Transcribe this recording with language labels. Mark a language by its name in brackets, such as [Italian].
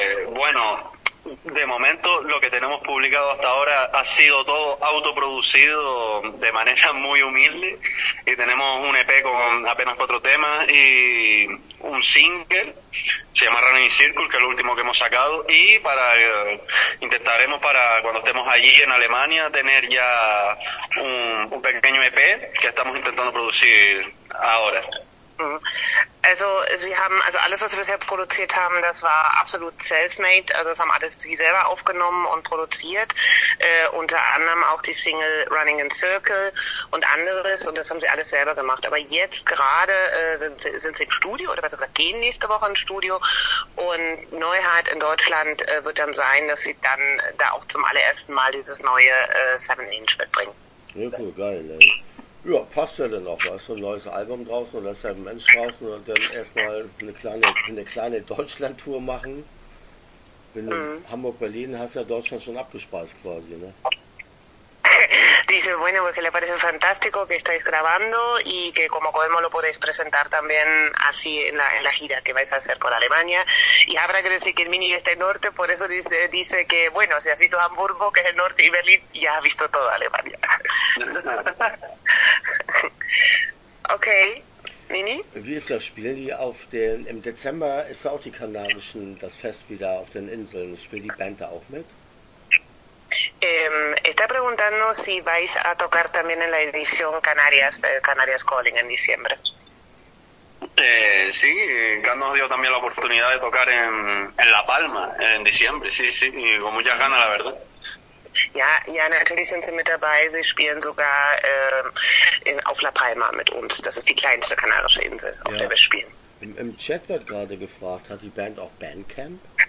[Spanish] Bueno, de momento lo que tenemos publicado hasta ahora ha sido todo autoproducido de manera muy humilde, y tenemos un EP con apenas 4 temas y un single, se llama Running Circle, que es el último que hemos sacado, y para intentaremos para cuando estemos allí en Alemania tener ya un pequeño EP que estamos intentando producir ahora. [German] Also sie haben, also alles, was sie bisher produziert haben, das war absolut self-made, also das haben alles sie selber aufgenommen und produziert, unter anderem auch die Single Running in Circle und anderes, und das haben sie alles selber gemacht. Aber jetzt gerade sind sie im Studio, oder besser gesagt, gehen nächste Woche ins Studio, und Neuheit in Deutschland wird dann sein, dass sie dann da auch zum allerersten Mal dieses neue 7-Inch mitbringen. Ja, cool, geil, ey. Ja, passt ja denn auch, weißt du, ein neues Album draußen und das ist ja ein Mensch draußen und dann erstmal eine kleine Deutschland-Tour machen. Wenn du Hamburg-Berlin hast, ja Deutschland schon abgespeist quasi, ne? [Spanish] Dice, bueno, pues que le parece fantástico que estáis grabando y que como Colmo lo podéis presentar también así en la gira que vais a hacer por Alemania. Y habrá que decir que el mini está en norte, por eso dice que, bueno, si has visto Hamburgo, que es el norte, y Berlín, ya has visto toda Alemania. Ok, Mini. [German] Wie ist das Spiel? Im Dezember ist auch die kanarischen, das Fest wieder auf den Inseln. Spielt die Band da auch mit? [Spanish] Está preguntando si vais a tocar también en la edición Canarias Calling en diciembre. Sí, Can nos dio también la oportunidad de tocar en La Palma en diciembre, sí, y con muchas ganas, la verdad. [German] Ja, natürlich sind sie mit dabei, sie spielen sogar auf La Palma mit uns, das ist die kleinste kanarische Insel, auf der wir spielen. Im Chat wird gerade gefragt, hat die Band auch Bandcamp?